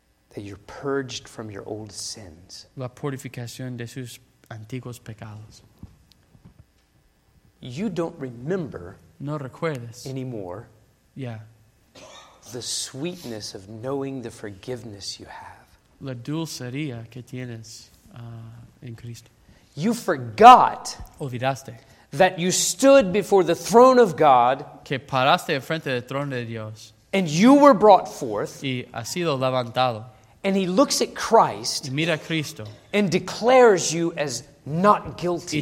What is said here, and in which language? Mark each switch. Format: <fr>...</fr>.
<en>That you're purged from your old sins.</en> <es>La purificación de sus antiguos pecados.</es> <en>You don't remember.</en> <es>No recuerdas.</es> <en>Anymore. Yeah. The sweetness of knowing the forgiveness you have.</en> <es>La dulcería que tienes en Cristo.</es> <en>You forgot.</en> <es>Olvidaste.</es> <en>That you stood before the throne of God.</en> <es>Que paraste enfrente del trono de Dios.</es> <en>And you were brought forth.</en> <es>Y has sido levantado.</es> <en>And he looks at Christ.</en> <es>Y mira a Cristo.</es> <en>And declares you as not guilty.</en>